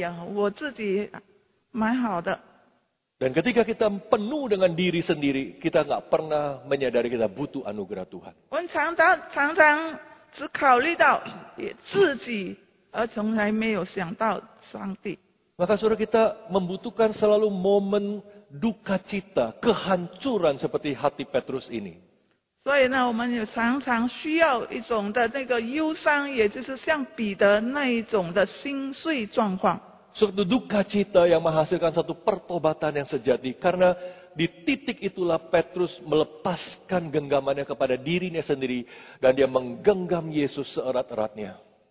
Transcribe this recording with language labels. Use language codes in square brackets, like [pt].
[zh] 当我们还没有经历像彼得这一种的心碎状况当中，我们是常常觉得，哎呀，我自己蛮好的。 [id] Dan ketika kita penuh dengan diri sendiri, kita enggak pernah menyadari kita butuh anugerah Tuhan. [zh] 我们常常只考虑到自己，而从来没有想到上帝。 [id] Maka suruh kita membutuhkan selalu momen duka cita, kehancuran seperti hati Petrus ini. [zh] 所以呢，我们有常常需要一种的那个忧伤，也就是像彼得那一种的心碎状况。 [id] Suatu duka cita yang menghasilkan satu pertobatan yang sejati, karena di titik itulah Petrus melepaskan genggamannya kepada dirinya sendiri dan dia menggenggam Yesus seerat-eratnya.